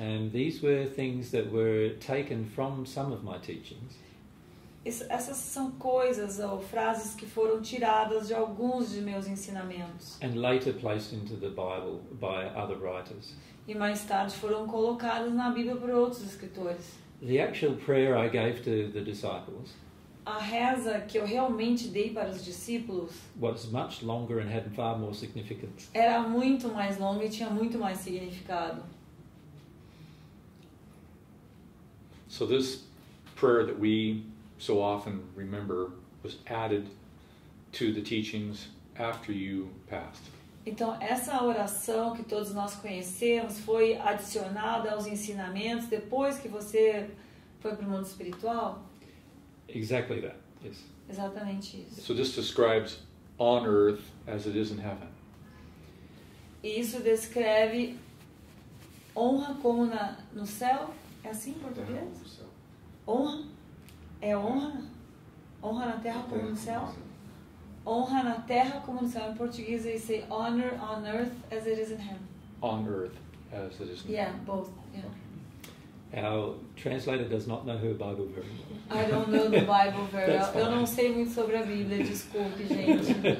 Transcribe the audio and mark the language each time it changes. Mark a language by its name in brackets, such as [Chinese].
[English] These were things that were taken from some of my teachings. [Portuguese] Essas são coisas ou frases que foram tiradas de alguns de meus ensinamentos. [English] And later placed into the Bible by other writers. [Portuguese] E mais tarde foram colocadas na Bíblia por outros escritores. [English] The actual prayer I gave to the disciples. [Portuguese] A reza que eu realmente dei para os discípulos. [English] Was much longer and had far more significance. [Portuguese] Era muito mais longa e tinha muito mais significado. [English] So this prayer that we so often remember was added to the teachings after you passed. [Portuguese] Então, essa oração que todos nós conhecemos foi adicionada aos ensinamentos depois que você foi para o mundo espiritual? [English] Exactly that. Yes. [Portuguese] Exatamente isso. [English] So this describes on earth as it is in heaven. [Portuguese] E isso descreve honra como na no céu? É assim em português? Honra é honra? Honra na terra como no céu? Honra na terra como no céu. Em português eles [English] say honor on earth as it is in heaven. On earth as it is in heaven. Yeah, both. Yeah. Our translator does not know her Bible very well. I don't know the Bible very well. [Portuguese] Eu não sei muito sobre a Bíblia, desculpe, gente.